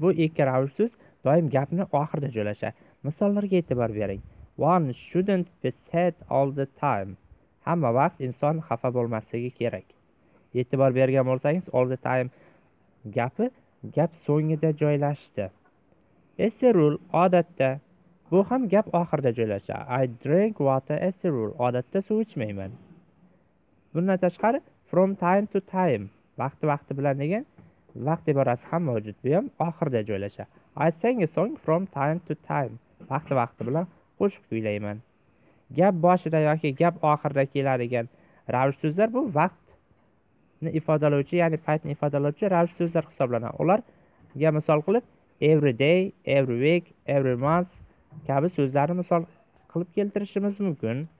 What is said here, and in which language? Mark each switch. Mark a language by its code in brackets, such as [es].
[uz] Bu ikki ravish so'z doim gapni oxirida joylashadi. Misollarga e'tibor bering. [en] One shouldn't be sad all the time. [uz] Hamma vaqt inson xafa bo'lmasligi kerak. E'tibor bergan bo'lsangiz, all the time gapi gap so'ngida joylashdi. As a rule odatda bu ham gap oxirida joylashadi. I drink water as a rule. Odatda suv ichmayman. Bundan tashqari from time to time vaqti-vaqti bilan degan vaqt iborasi ham mavjud. Bu ham oxirida joylashadi. [en] I sing a song from time to time. [uz] Vaqti-vaqti bilan qo'shiq kuylayman. Gap boshida yoki gap oxirida keladigan ravish so'zlar bu vaqtni ifodalovchi, ya'ni paytni ifodalovchi ravish so'zlar hisoblanadi. Ularga misol qilib every day, every week, every month kabi so'zlarni misol qilib keltirishimiz mumkin.